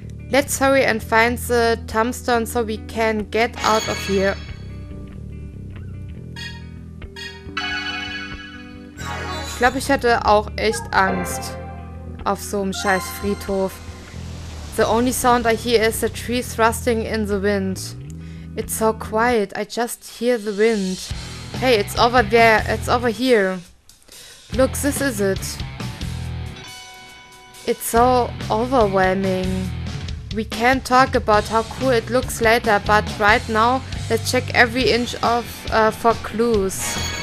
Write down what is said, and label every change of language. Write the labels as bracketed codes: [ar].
[en] Let's hurry and find the tombstone so we can get out of here. [de] Ich glaube, ich hatte auch echt Angst auf so einem scheiß Friedhof. [en] The only sound I hear is the trees rustling in the wind. It's so quiet, I just hear the wind. Hey, it's over there, it's over here. Look, this is it. It's so overwhelming. We can talk about how cool it looks later, but right now, let's check every inch of for clues.